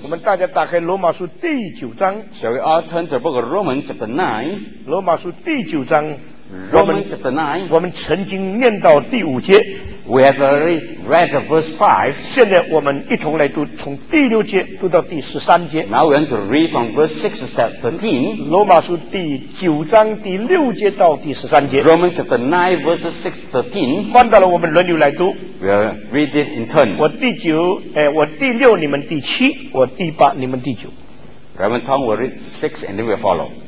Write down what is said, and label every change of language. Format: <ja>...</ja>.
<zh>我们大家打开罗马书第九章。</zh> <en>Shall we all turn to book of Romans chapter 9？</en> <zh>罗马书第九章。</zh> <en>Romans chapter 9。</en> <zh>我们曾经念到第五节。</zh> <en>We have already read verse 5。</en> <zh>现在我们一同来读，从第六节读到第十三节。</zh> <en>Now we're going to read from verse 6 to 13。</en> <zh>罗马书第九章第六节到第十三节。</zh> <en>Romans chapter 9 verses 6 to 13。</en> <zh>换到了我们轮流来读。</zh> <en>We'll read it in turn。</en> <zh>我第九，我第六，你们第七；我第八，你们第九。</zh> <en>Reverend Tong will read 6 and then we'll follow。</en>